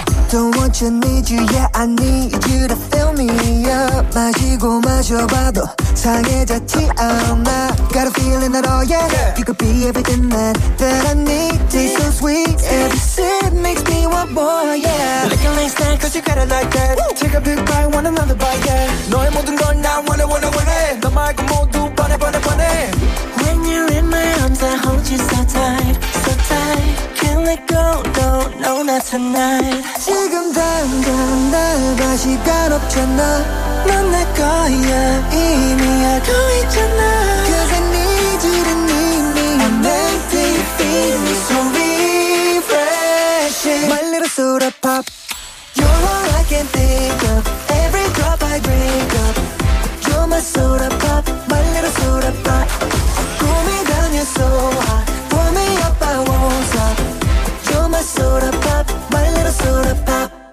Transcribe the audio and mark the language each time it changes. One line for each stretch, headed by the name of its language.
English: Don't want you, need you, yeah, I need you to fill me up.
Korean: 마시고 마셔봐도. 상해졌지 않아
English: Got a feeling that all yeah, yeah. You could be everything that I need Tastes so sweet yeah. Every sip makes me want more yeah Like a late snack cause you got it like that Woo. Take a big bite want another bite yeah
Korean: 너의 모든 걸 나 원해 원해 원해 너 말고 모두 뻔해 뻔해 뻔해
English: When you're in my arms I hold you so tight So tight Can't let go No no not tonight
Korean: 지금 당장 나가 시간 없잖아 넌 내 거야 이미 알고 있잖아
English: Cause I need you to need me I'm empty feel me so refreshing My little soda pop You're all I can think of Every drop I drink of You're my soda pop My little soda pop Cool me down, you're so hot Pour me up, I won't stop You're my soda pop My little soda pop